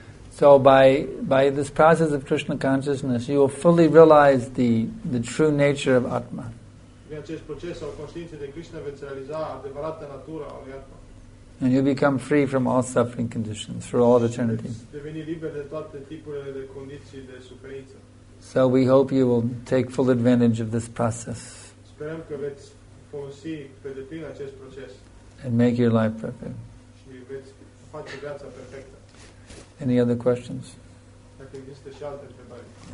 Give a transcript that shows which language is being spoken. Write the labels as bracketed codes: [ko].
[en] So by this process of Krishna consciousness, you will fully realize the true nature of Atma. [ro] Acest proces al conștiinței de Krishna veți realiza adevărata natura al Atma. [en] And you become free from all suffering conditions for all eternity. [ro] Deveni liber de toate tipurile de condiții de suferință. [en] So we hope you will take full advantage of this process. [ro] Sperăm că veți folosi pe deplin acest proces. [en] And make your life perfect. [ro] Și veți face viața perfectă. [en] Any other questions? [ro] Dacă există și alte întrebări.